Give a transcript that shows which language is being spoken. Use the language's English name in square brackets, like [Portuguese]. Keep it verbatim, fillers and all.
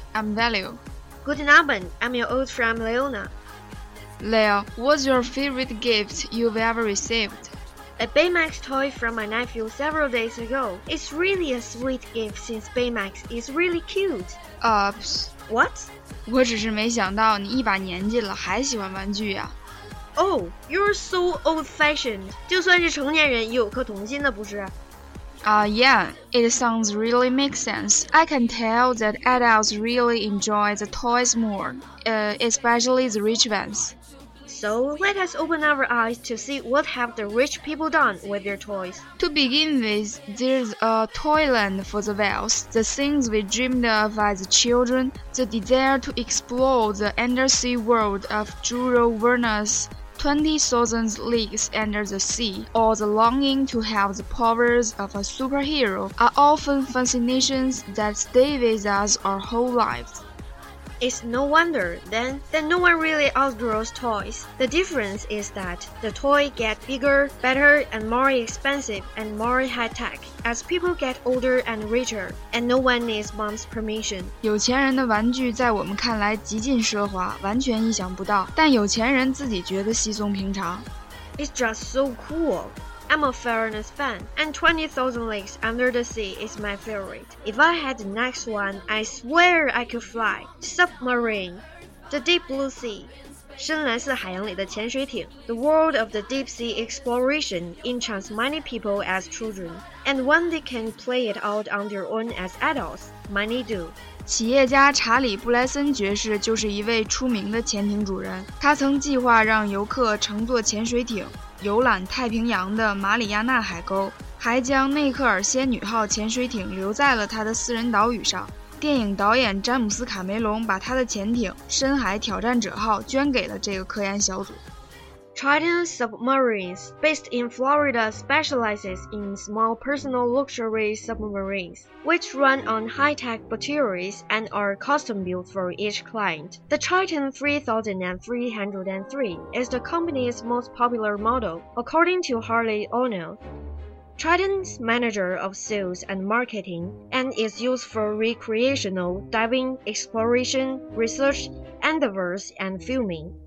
[English] I'm Valio. [German] Guten Abend, [English] I'm your old friend Leona. Leo, what's your favorite gift you've ever received? A Baymax toy from my nephew several days ago. It's really a sweet gift since Baymax is really cute. Ups. What? [Chinese] 我只是没想到你一把年纪了还喜欢玩具啊。 [English] Oh, you're so old-fashioned. [Chinese] 就算是成年人也有颗童心的不是？ [English] Ah, uh, yeah, it sounds really makes sense. I can tell that adults really enjoy the toys more, uh, especially the rich ones. So, let us open our eyes to see what have the rich people done with their toys. To begin with, there's a Toyland for the wealth, the things we dreamed of as children, the desire to explore the undersea world of Jules Verne's twenty thousand Leagues Under the Sea, or the longing to have the powers of a superhero, are often fascinations that stay with us our whole lives. It's no wonder, then, that no one really outgrows toys. The difference is that the toy gets bigger, better, and more expensive and more high-tech as people get older and richer, and no one needs mom's permission. [Chinese] 有钱人的玩具在我们看来极尽奢华，完全意想不到，但有钱人自己觉得稀松平常。 [English] It's just so cool. I'm a fairness fan, and twenty thousand Leagues Under the Sea is my favorite. If I had the next one, I swear I could fly. Submarine, the deep blue sea, [Chinese] 深蓝色海洋里的潜水艇. [English] The world of the deep sea exploration enchants many people as children, and when they can play it out on their own as adults, many do. [Chinese] 企业家查理·布莱森爵士就是一位出名的潜艇主人，他曾计划让游客乘坐潜水艇游览太平洋的马里亚纳海沟，还将内克尔仙女号潜水艇留在了他的私人岛屿上。电影导演詹姆斯·卡梅隆把他的潜艇深海挑战者号捐给了这个科研小组。 [English] Triton Submarines, based in Florida, specializes in small personal luxury submarines, which run on high-tech batteries and are custom-built for each client. The Triton three thousand three hundred three is the company's most popular model, according to Harley O'Neill, Triton's manager of sales and marketing, and is used for recreational diving, exploration, research, endeavors, and filming.